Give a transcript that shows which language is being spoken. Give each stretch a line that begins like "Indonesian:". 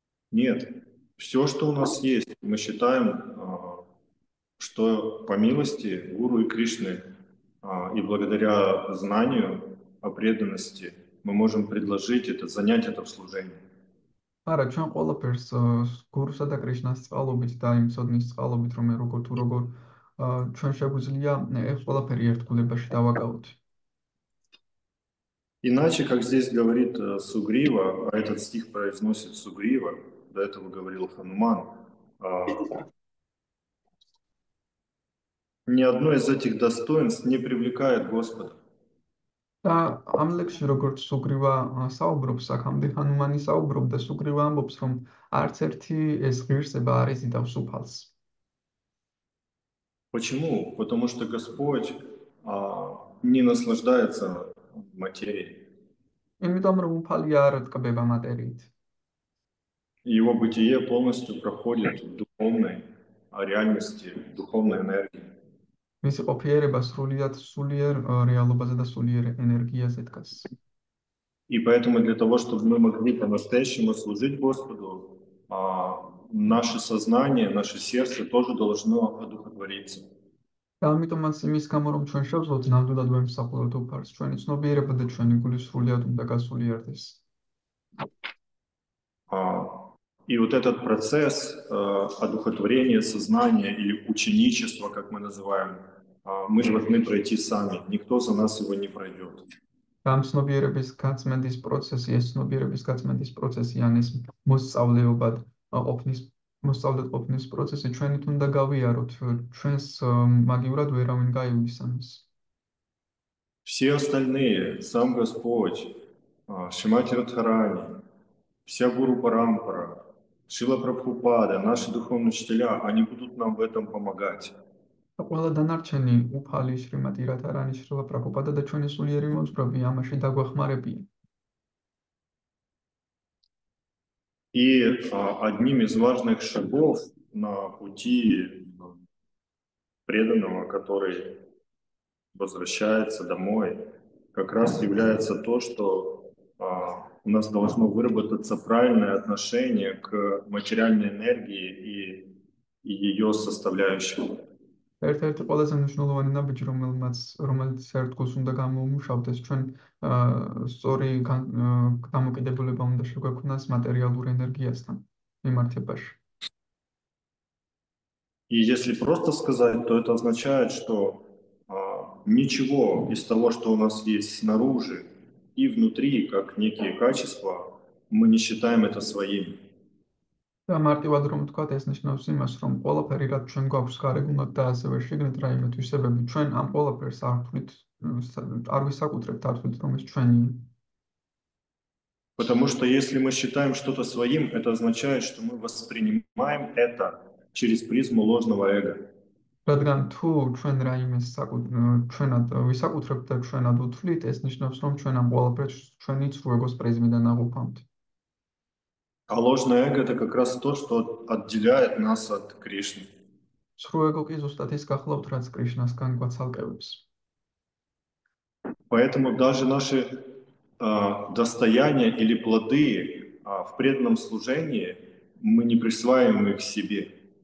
Russian: Нет, все, что у нас есть, мы считаем, что по милости Гуру и Кришны и благодаря знанию о преданности мы можем предложить это, занять это в служении.
Georgian: არა, ჩვენ ყველაფერს გურუსა და კრიშნას წყალობით და იმ სოდნის წყალობით, რომ როგორ თუ როგორ ჩვენ შეგვიძლია ეს ყველაფერი ერთგულებაში დავაკავოთ.
Russian: Иначе, как здесь говорит Сугрива, а этот стих произносит Сугрива, до этого говорил Хануман, ни одно из этих достоинств не привлекает Господа.
Georgian: და ამ ლექსში როგორც სუგრივა საუბრობს, აქ ამდენ ჰანუმანი საუბრობდა, სუგრივა ამბობს, რომ არც ერთი ეს ღირსება არ იზიდავს უფალს.
Russian: Почему? Потому что Господь не наслаждается материей.
Georgian: იმიტომ რომ უფალი არ ტკბება მატერიით.
Russian: Его бытие полностью проходит в духовной реальности, в духовной энергии.
Georgian: მისი ყოფიერება სრულიად სულიერ რეალობაზე და სულიერ ენერგიაზე დგას.
Russian: И поэтому для того, чтобы мы могли по-настоящему служить Господу, наше сознание, наше сердце тоже должно одухотвориться.
Georgian: და ამიტომაც იმის გამო, რომ ჩვენ შევძლოთ ნამდვილად ვემსახუროთ უფალს, ჩვენი ცნობიერება და ჩვენი გული სრულიად უნდა გასულიერდეს.
Russian: И вот этот процесс одухотворения сознания или ученичества, как мы называем, мы же должны пройти сами. Никто за нас его не пройдет.
Georgian: ამ ცნობიერების გაწმენდის პროცესი, ეს ცნობიერების გაწმენდის პროცესი, ან ეს მოსწავლეობად ყოფნის, მოსწავლეთ ყოფნის პროცესი, ჩვენით უნდა გავიაროთ, ჩვენს მაგივრად ვერავინ გაივლის ამის.
Russian: Все остальные, сам Господь, Шримати Радхарани, вся Гуру Парампара, Шрила Прабхупада, наши духовные учителя, они будут нам в этом помогать.
Georgian: ყველა დანარჩენი უფალი შრიმატი რატარანი შრილა პრაბუპადა და ჩვენი სულიერი მოძღვრები ამაში დაგვეხმარებიან.
Russian: И одним из важных шагов на пути преданного, который возвращается домой, как раз является то, что у нас должно выработаться правильное отношение к материальной энергии и ее составляющим.
Georgian: ერთ-ერთი ყველაზე მნიშვნელოვანი ნაბიჯი, რომელიც საერთოდ უნდა გამოუმუშავდეს, ჩვენ სწორი დამოკიდებულება უნდა შეგვექმნას მატერიალურ ენერგიასთან მიმართებაში.
Russian: И если просто сказать, то это означает, что ничего из того, что у нас есть снаружи и внутри, как некие качества, Мы не считаем это своим.
Georgian: Да, мартивад რომ ვთქვათ, ეს ნიშნავს იმას, რომ ყველაფერი რაც ჩვენ გვაქვს გარეგნულად და ასევე შეგნით რაიმე თვისებები, ჩვენ ამ ყველაფერს არ ვთვლით, არ ვისაკუთრებთ არ ვთვლით, რომ ეს ჩვენი.
Russian: Потому что если мы считаем что-то своим, это означает, что мы воспринимаем это через призму ложного эго.
Georgian: რადგან თუ ჩვენ რაიმე ჩვენად ვისაკუთრებთ და ჩვენად ვთვლით, ეს ნიშნავს, რომ ჩვენ ამ ყველაფერს ჩვენი ცრუ ეგოს პრიზმიდან აღვფამთ.
Russian: А ложное эго – это как раз то, что отделяет нас от Кришны.
Georgian: Сруэго ки зустат из кахлов трац Кришна скан гвацалкевыпс.
Russian: Поэтому даже наши достояния или плоды в преданном служении мы не присваиваем их себе.